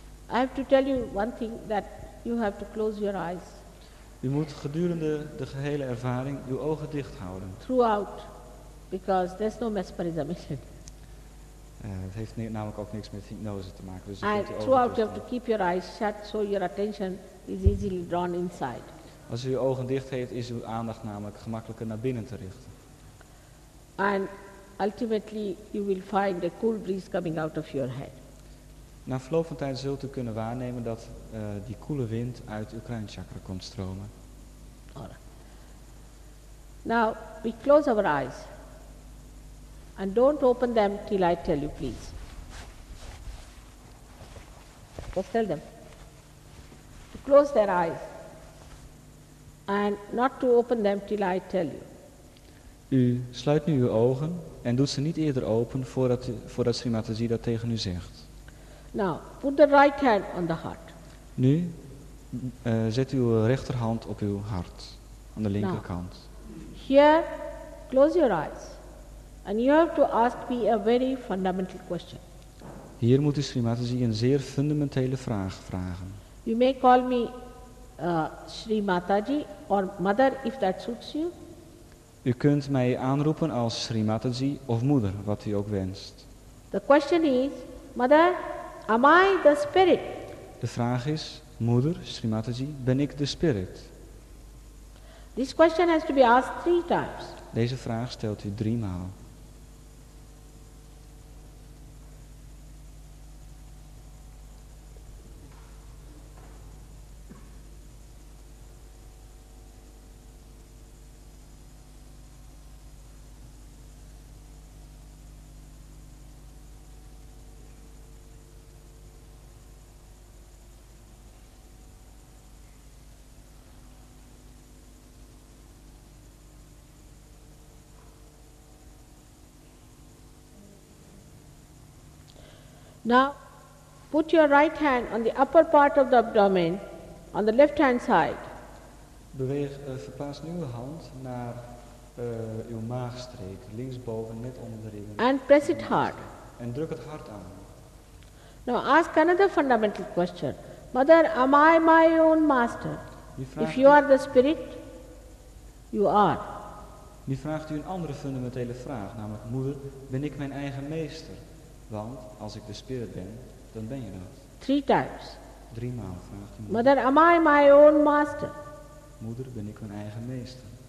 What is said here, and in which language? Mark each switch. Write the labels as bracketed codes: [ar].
[en] I have to tell you one thing that you have to close your eyes. [nl] U moet gedurende de gehele ervaring uw ogen dicht houden. [en] Throughout, because there's no mesmerism in it. [nl] Het heeft namelijk ook niks met hypnose te maken. Dus [en] and throughout you have to keep your eyes shut, so your attention is easily drawn inside. [nl] Als u uw ogen dicht heeft, is uw aandacht namelijk gemakkelijker naar binnen te richten. [en] And ultimately you will find a cool breeze coming out of your head. [nl] Na verloop van tijd zult u kunnen waarnemen dat die koele wind uit uw kruinchakra komt stromen. [en] Now we close our eyes and don't open them till I tell you, please. Just tell them to close their eyes and not to open them till I tell you. [nl] U sluit nu uw ogen en doet ze niet eerder open voordat Shri Mataji dat tegen u zegt. [en] Now, put the right hand on the heart. [nl] Nu, zet uw rechterhand op uw hart, aan de linkerkant. [en] Now, here, close your eyes. And you have to ask me a very fundamental question. [nl] Hier moet u Shri Mataji een zeer fundamentele vraag vragen. [en] You may call me Shri Mataji or Mother if that suits you. [nl] U kunt mij aanroepen als Shri Mataji of moeder, wat u ook wenst. [en] The question is, Mother, am I the spirit? [nl] De vraag is, moeder, Shri Mataji, ben ik de spirit? [en] This question has to be asked 3 times. [nl] Deze vraag stelt u 3 maal. [en] Now, put your right hand on the upper part of the abdomen, on the left hand side. [nl] Verplaats nu uw hand naar uw maagstreek, linksboven, net onder de ribben. [en] And press it hard. [nl] En druk het hard aan. [en] Now ask another fundamental question. Mother, am I my own master? If you are the spirit, you are. [nl] Nu vraagt u een andere fundamentele vraag, namelijk, moeder, ben ik mijn eigen meester? Want als ik de spirit ben, dan ben je dat. [en] 3 times. [nl] 3 maal vraagt u. [en] Mother, am I my own master? [nl] Moeder, ben ik mijn eigen meester?